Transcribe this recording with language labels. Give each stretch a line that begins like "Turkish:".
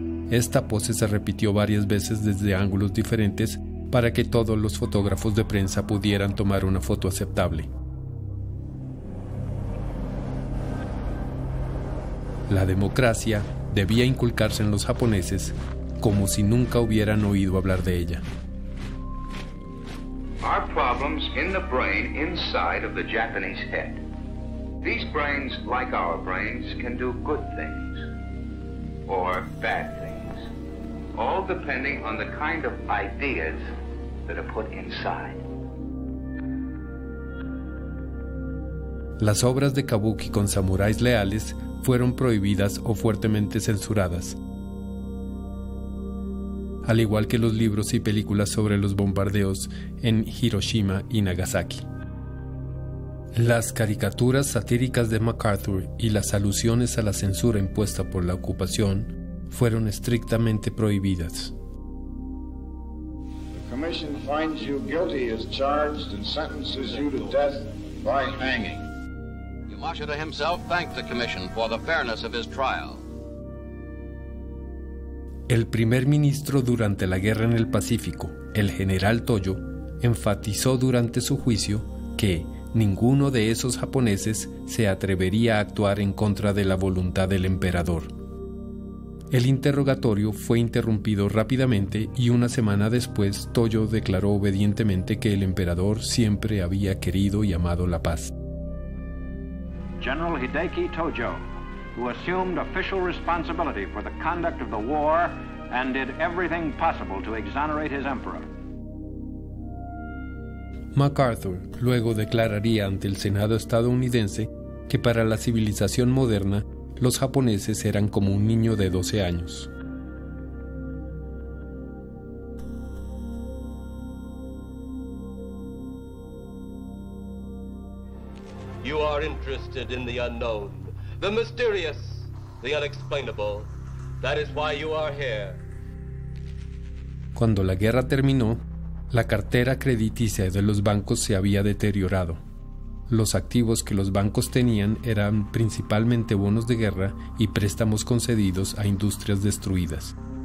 Spanish: Esta pose se repitió varias veces desde ángulos diferentes para que todos los fotógrafos de prensa pudieran tomar una foto aceptable. La democracia debía inculcarse en los japoneses como si nunca hubieran oído hablar de ella.
English: Our problems in the brain inside of the Japanese head. These brains, like our brains, can do good things or bad things. All depending on the kind of ideas that are put inside.
Spanish: Las obras de Kabuki con samuráis leales fueron prohibidas o fuertemente censuradas, al igual que los libros y películas sobre los bombardeos en Hiroshima y Nagasaki. Las caricaturas satíricas de MacArthur y las alusiones a la censura impuesta por la ocupación fueron estrictamente prohibidas.
English: The commission finds you guilty as charged and sentences you to death by hanging. Yamashita himself thanked the commission for the fairness of his trial.
Spanish: El primer ministro durante la guerra en el Pacífico, el general Toyo, enfatizó durante su juicio que ninguno de esos japoneses se atrevería a actuar en contra de la voluntad del emperador. El interrogatorio fue interrumpido rápidamente y una semana después Toyo declaró obedientemente que el emperador siempre había querido y amado la paz.
English: General Hideki Tojo, who assumed official responsibility for the conduct of the war and did everything possible to exonerate his emperor.
Spanish: MacArthur luego declararía ante el Senado estadounidense que para la civilización moderna los japoneses eran como un niño de 12 años.
English: You are interested in the unknown, the mysterious, the unexplainable. That is why you are here.
Spanish: Cuando la guerra terminó, la cartera crediticia de los bancos se había deteriorado. Los activos que los bancos tenían eran principalmente bonos de guerra y préstamos concedidos a industrias destruidas.